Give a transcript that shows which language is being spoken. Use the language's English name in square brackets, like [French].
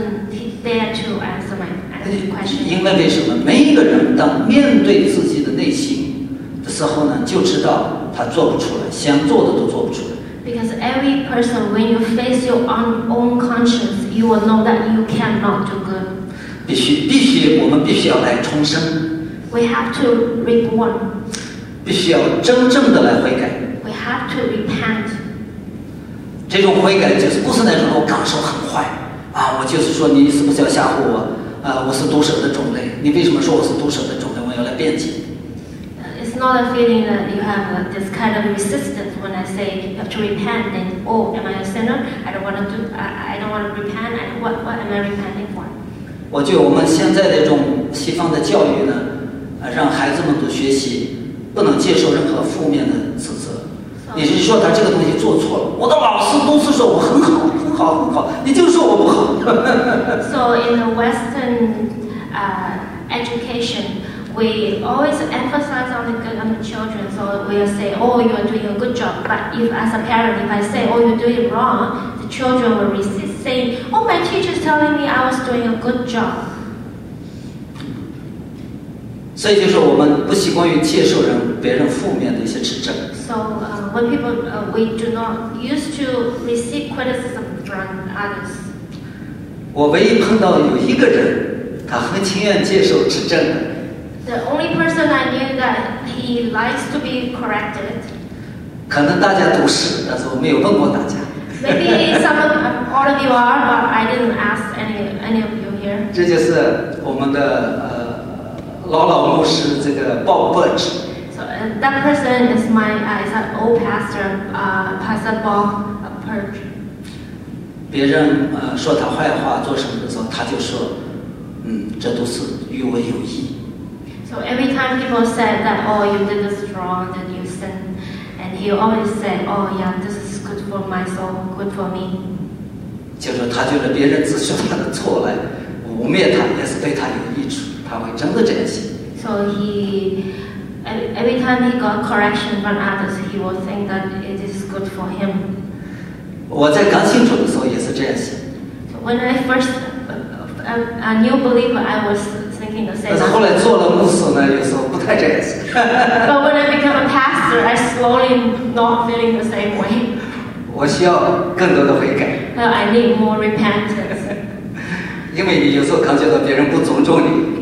[English] He dare to answer my question. [Chinese] 因为为什么？每一个人当面对自己的内心的时候呢，就知道他做不出来，想做的都做不出来。 [English] Because every person, when you face your own conscience, you will know that you cannot do good. [Chinese] 必须，我们必须要来重生。 [English] We have to reborn. [Chinese] 必须要真正的来悔改。 [English] We have to repent. [Chinese] 这种悔改就是不是那种我感受很坏啊，我就是说你是不是要吓唬我啊？我是毒蛇的种类，你为什么说我是毒蛇的种类？我要来辩解。 [English] It's not a feeling that you have this kind of resistance when I say you have to repent. Then, oh, am I a sinner? I don't want to repent. What am I repenting for? [Chinese] 我觉得我们现在的这种西方的教育呢，让孩子们都学习。不能接受任何负面的指责，也就是说他这个东西做错了，我的老师都是说我很好很好很好，你就说我不好。 [English] So in the Western education, we always emphasize on the good on the children. So we'll say, oh, you're doing a good job. But if as a parent, if I say, oh, you're doing wrong, the children will resist saying, oh, my teacher's telling me I was doing a good job. [Chinese] 所以就是我们不习惯于接受别人负面的一些指正。 [English] So, when people, we do not used to receive criticism from others. [Chinese] 我唯一碰到有一个人，他很情愿接受指正的。 [English] The only person I knew that he likes to be corrected. [Chinese] 可能大家都是，但是我没有问过大家。 [English] Maybe some of all of you are, but I didn't ask any of you here. [Chinese] 这就是我们的老牧师这个 Bob Birch. [English] So that person is my is an old pastor, Pastor Bob Birch. [Chinese] 别人说他坏话做什么的时候，他就说，这都是与我有益。 [English] So every time people said that, oh, you did this wrong, then you sin, and he always said, oh, yeah, this is good for my soul, good for me. [Chinese] 就是他觉得别人指出他的错来，污蔑他也是对他有益处。他会真的珍惜。 [English] So he every time he got correction from others, he will think that it is good for him. [Chinese] 我在刚信主的时候也是这样想。 [English] So when I first a new believer, I was thinking the same. [Chinese] 但是后来做了牧师呢，有时候不太这样想。 [English] But when I become a pastor, I slowly not feeling the same way. [Chinese] 我需要更多的悔改。 [English] I need more repentance. [Chinese] 因为你有时候感觉到别人不尊重你。